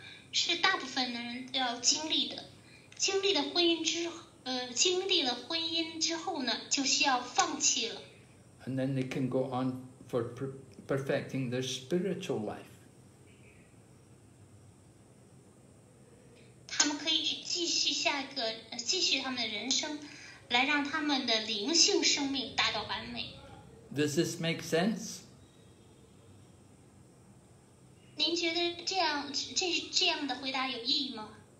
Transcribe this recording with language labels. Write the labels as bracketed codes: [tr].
[zh] 是大部分的人要经历的，经历了婚姻之后，经历了婚姻之后呢，就需要放弃了。 [en] And then they can go on for perfecting their spiritual life. [zh] 他们可以继续下一个，继续他们的人生，来让他们的灵性生命达到完美。 [en] Does this make sense? [zh] 您觉得这样的回答有意义吗？